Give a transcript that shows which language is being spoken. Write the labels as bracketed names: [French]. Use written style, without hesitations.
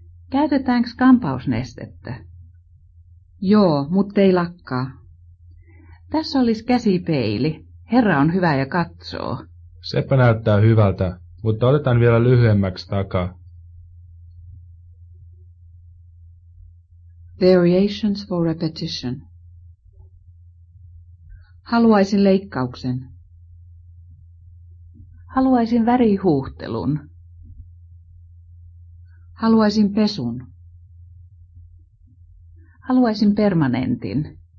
[Finnish] Käytetäänkö kampausnestettä? Joo, mutta ei lakkaa. Tässä olisi käsipeili. Herra on hyvä ja katsoo. Sepä näyttää hyvältä, mutta otetaan vielä lyhyemmäksi takaa. [English] Variations for repetition. [Finnish] Haluaisin leikkauksen. Haluaisin värihuhtelun. Haluaisin pesun. Haluaisin permanentin.